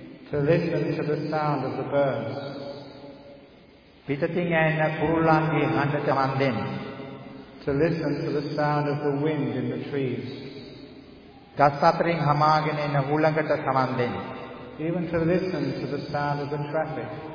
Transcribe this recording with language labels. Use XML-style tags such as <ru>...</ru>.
<en>To listen to the sound of the birds.</en> <si>පිටතින් ඇෙන කුරුල්ලන්ගේ හඬ තමන් දෙන්න.</si> <en>To listen to the sound of the wind in the trees.</en> <si>ගස් අතරින් හමාගෙන එන හුළඟට තමන් දෙන්න.</si> <en>Even to listen to the sound of the traffic.</en>